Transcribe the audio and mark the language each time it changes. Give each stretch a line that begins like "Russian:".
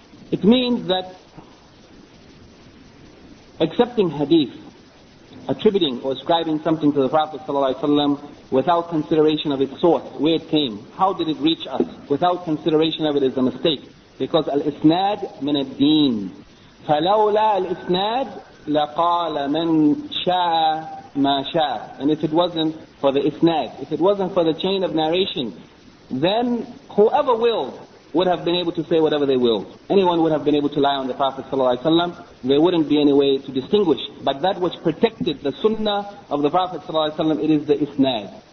English: It means that accepting hadith, attributing or ascribing something to the Prophet ﷺ without consideration of its source, where it came, how did it reach us, without consideration of it, is a mistake. Because al-isnad min ad-deen.
Arabic: فَلَوْلَا al-isnad لَقَالَ مَنْ شَاءَ مَا شَاءَ.
English: And if it wasn't for the isnad, if it wasn't for the chain of narration, then whoever willed would have been able to say whatever they willed. Anyone would have been able to lie on the Prophet ﷺ. There wouldn't be any way to distinguish. But that which protected the sunnah of the Prophet ﷺ, it is the isnad.